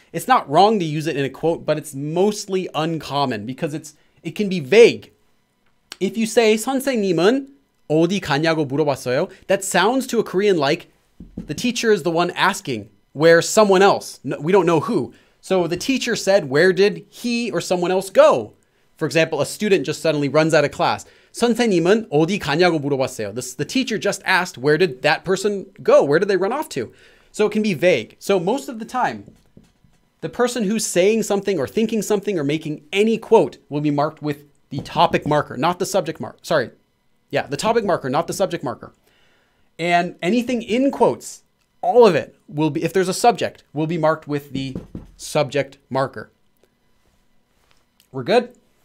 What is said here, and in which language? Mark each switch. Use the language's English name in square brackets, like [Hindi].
[English] It's not wrong to use it in a quote, but it's mostly uncommon because it can be vague. If you say [Korean] 선생님은 어디 가냐고 물어봤어요, [English] that sounds to a Korean like the teacher is the one asking where someone else, we don't know who. So the teacher said, where did he or someone else go? For example, a student just suddenly runs out of class. [Korean] 선생님은 어디 가냐고 물어봤어요. [English] The teacher just asked, where did that person go? Where did they run off to? So it can be vague. So most of the time, the person who's saying something or thinking something or making any quote will be marked with the topic marker, not the subject marker. Sorry. Yeah, the topic marker, not the subject marker. And anything in quotes, all of it will be, if there's a subject, will be marked with the subject marker. We're good?